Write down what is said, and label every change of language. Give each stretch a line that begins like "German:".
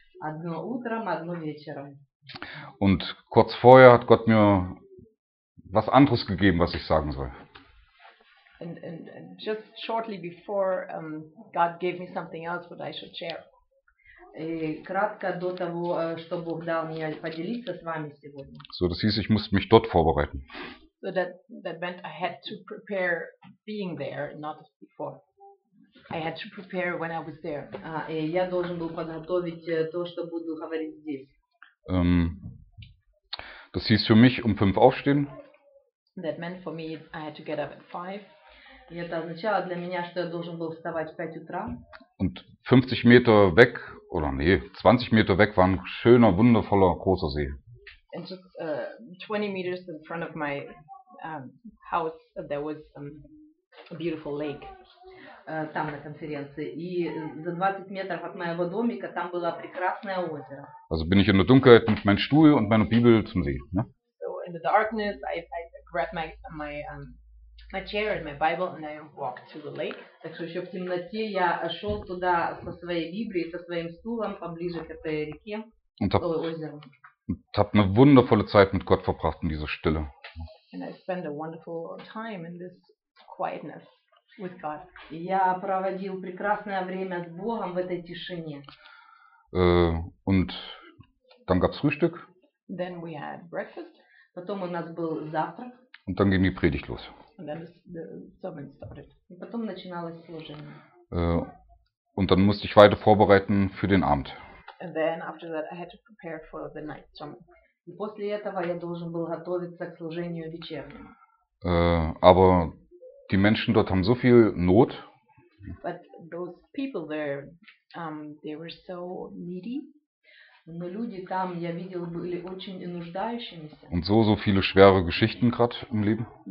Russian: Одно утром, одно вечером.
German: Und kurz vorher hat Gott mir was anderes gegeben, was ich sagen soll.
English: And just shortly before God gave me something else what I should share.
Russian: И кратко до того, что Бог дал мне поделиться с вами сегодня.
German: So, das hieß, ich musste mich dort vorbereiten.
English: So that meant I had to prepare being there, not before. I had to prepare when I was there.
Russian: Я должен был подготовить то, что буду говорить здесь.
German: Das hieß für mich um 5 aufstehen.
English: That meant for me I had to get up at 5.
Russian: И это означало для меня, что я должен был вставать в 5 утра.
German: Und 50 Meter weg, oder nee, 20 Meter weg war ein schöner, wundervoller, großer See.
English: And just 20 meters in front of my house, there was a beautiful lake.
Russian: Там на конференции. И за 20 метров от моего домика там было прекрасное озеро.
German: Also bin ich in der Dunkelheit mit meinem Stuhl und meiner Bibel zum See. Ne?
English: So in the darkness, I grabbed my chair and my Bible and I walked to the lake.
Russian: Так что еще в темноте я шел туда со своей Библией, со своим стулом поближе к этой реке, озеру.
German: Und habe eine wundervolle Zeit mit Gott verbracht in dieser Stille.
English: And I spend a wonderful time in this quietness with God.
Russian: Я проводил прекрасное время с Богом в этой тишине.
German: Und dann gab's Frühstück.
English: Then we had breakfast.
Russian: Потом у нас был завтрак.
German: Und dann ging die Predigt los.
English: And then the sermon started.
Russian: И потом начиналось служение.
German: Und dann musste ich weiter vorbereiten für den Abend.
English: And then after that I had to prepare for the night sermon.
Russian: И после этого я должен был готовиться к служению вечернему.
German: Aber die Menschen dort haben so viel Not.
English: But those people there, they were so needy.
Russian: Но люди там, я видел, были очень нуждающимися.
German: Und so viele schwere Geschichten gerade im Leben.